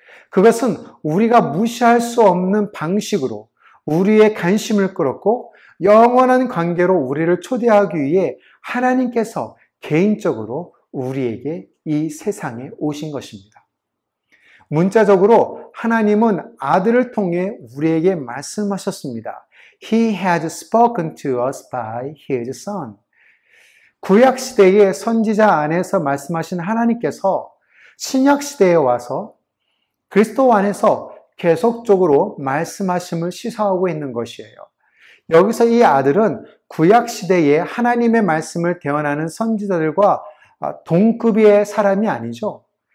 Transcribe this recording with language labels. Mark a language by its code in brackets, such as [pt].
[ko] 그것은 우리가 무시할 수 없는 방식으로 우리의 관심을 끌었고 영원한 관계로 우리를 초대하기 위해 하나님께서 개인적으로 우리에게 이 세상에 오신 것입니다. 문자적으로 하나님은 아들을 통해 우리에게 말씀하셨습니다. [en] He has spoken to us by his son. [ko] 구약시대의 선지자 안에서 말씀하신 하나님께서 신약시대에 와서 그리스도 안에서 계속적으로 말씀하심을 시사하고 있는 것이에요. 여기서 이 아들은 구약시대의 하나님의 말씀을 대언하는 선지자들과 동급의 사람이 아니죠.